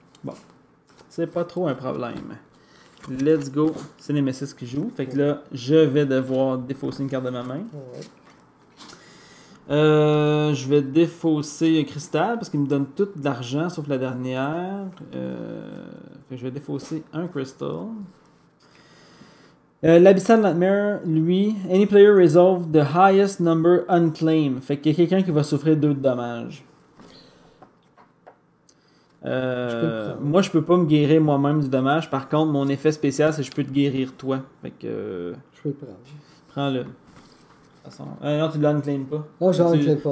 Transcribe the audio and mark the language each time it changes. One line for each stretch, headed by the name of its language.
French: Bon, c'est pas trop un problème.
English: Let's go,
French: c'est Nemesis qui joue. Fait que là, je vais devoir défausser une carte de ma main. Je vais défausser un cristal parce qu'il me donne tout de l'argent sauf la dernière. Fait que je vais défausser un cristal.
English: L'Abyssal Nightmare,
French: lui,
English: any player resolve the highest number unclaimed.
French: Fait qu'il y a quelqu'un qui va souffrir 2 de dommages. Moi, je peux pas me guérir moi-même du dommage. Par contre, mon effet spécial, c'est que je peux te guérir toi. Fait que. Je peux le prendre. Prends-le. De toute façon. Non, tu ne l'unclaimes pas. Non, je l'unclaim pas.